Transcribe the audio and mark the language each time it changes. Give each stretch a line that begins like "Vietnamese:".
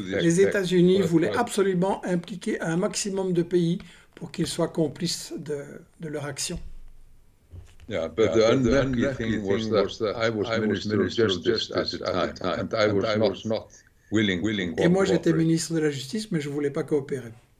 French: Les États-Unis voulaient absolument impliquer un maximum de pays pour qu'ils soient complices de leur action.
English: But the unlucky thing was that I was minister of justice at the time, and I was not willing.
French: Et moi, j'étais ministre de la justice, mais je voulais pas coopérer.